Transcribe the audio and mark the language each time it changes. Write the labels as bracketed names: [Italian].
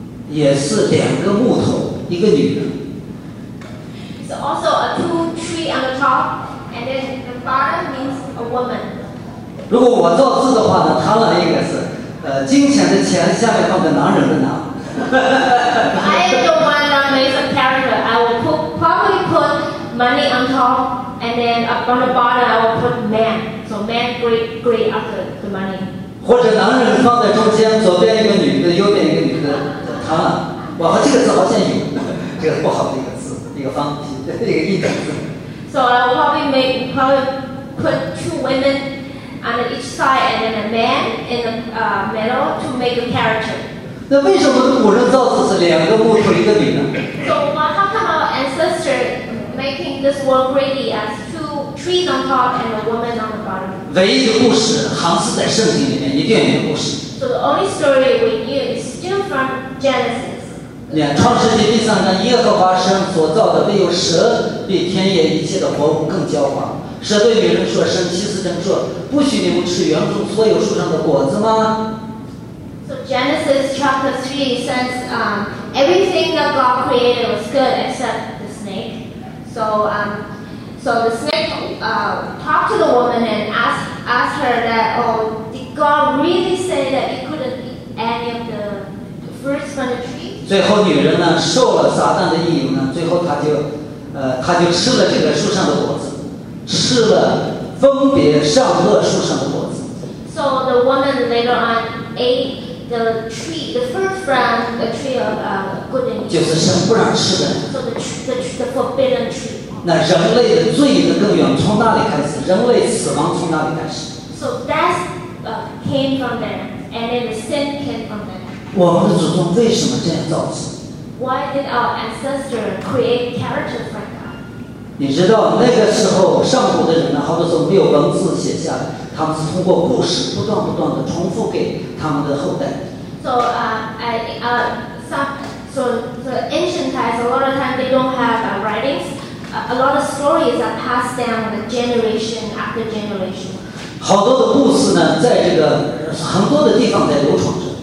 [Chinese] 也是两个木头，一个女人。 [English] So also a two tree on the top, and then the bottom means a woman. [Chinese] 如果我造字的话呢，贪婪应该是金钱的钱下面放个男人的男。 [English] I am the one that makes a character. I will probably put money on top, and then on the bottom I will put man. So man great after the money. [Chinese] 或者男人放在中间，左边一个女的，右边一个女的，贪婪。哇，这个字好像有，这个不好的一个字，一个方体，一个异体字。 [English] So I will probably put two women on each side, and then a man in the middle to make a character. [Chinese] 那为什么古人造字是两个木头一个女呢 [English] ？So how come our ancestor making this world greedy as two trees on top and a woman on the bottom？ [Chinese] 唯一的故事行是在圣经里面，伊甸园故事。 [English] So the only story we knew is still from Genesis。 [Chinese] 你看《创世纪》第三章，耶和华神所造的，唯有蛇比田野一切的活物更狡猾。蛇对女人说：“神岂是真说，不许你们吃园中所有树上的果子吗？” [English] So Genesis chapter 3 says everything that God created was good except the snake. So So the snake talked to the woman and asked her that, oh, did God really say that you couldn't eat any of the fruits from the tree? [Chinese] 最后女人呢受了撒旦的意淫呢，最后她就吃了这个树上的果子，吃了分别善恶树上的果子。 [English] So the woman later on ate the tree, the fruit from the tree of good and evil. [Chinese] 就是神不让吃的。 [English] So the forbidden tree. [Chinese] 那人类的罪的根源从哪里开始？人类死亡从哪里开始 [English] ？So death came from there, and then the sin came from there. [Chinese] 我们的祖宗为什么这样造字 [English] ？Why did our ancestor create characters like that？ [Chinese] 你知道那个时候上古的人呢，好多时候没有文字写下来，他们是通过故事不断的重复给他们的后代。 [English] So ancient times a lot of time they don't have writings. A lot of stories are passed down the generation after generation. [Chinese] 好多的故事呢，在这个很多的地方在流传着。